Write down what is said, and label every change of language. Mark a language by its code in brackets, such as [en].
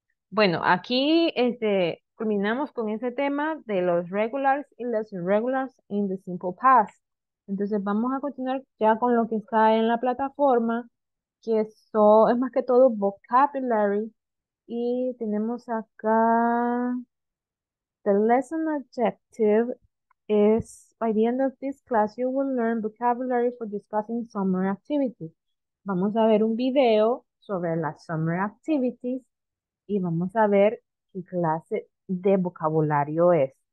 [es] Bueno, aquí culminamos con ese tema de los regulars y los [en] irregulars in the simple past. [es] Entonces vamos a continuar ya con lo que está en la plataforma, que es más que todo vocabulary. Y tenemos acá... [en] The lesson objective is by the end of this class, you will learn vocabulary for discussing summer activities. [es] Vamos a ver un video sobre las summer activities y vamos a ver qué clase de vocabulario es.